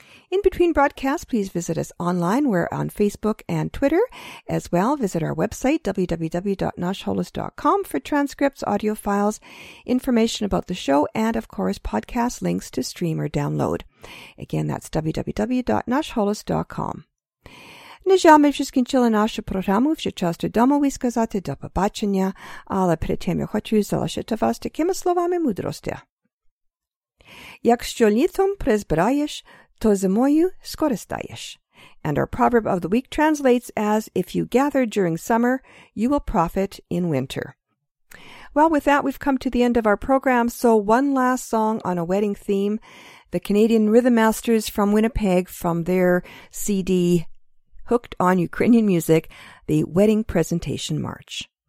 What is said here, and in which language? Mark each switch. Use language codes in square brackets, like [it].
[en] In between broadcasts, please visit us online. We're on Facebook and Twitter as well. Visit our website, www.nashholos.com, for transcripts, audio files, information about the show, and, of course, podcast links to stream or download. Again, that's www.nashholos.com. [uk] Нежами всіскін чили нашу програму, вже час додому висказати до побачення, але перед тим я хочу залишити вас такими словами мудрості. Якщо літом призбираєш, то зимою скористаєш. [en] And our proverb of the week translates as, if you gather during summer, you will profit in winter. Well, with that, we've come to the end of our program. So one last song on a wedding theme, the Canadian Rhythm Masters from Winnipeg, from their CD, Hooked on Ukrainian Music, the Wedding Presentation March.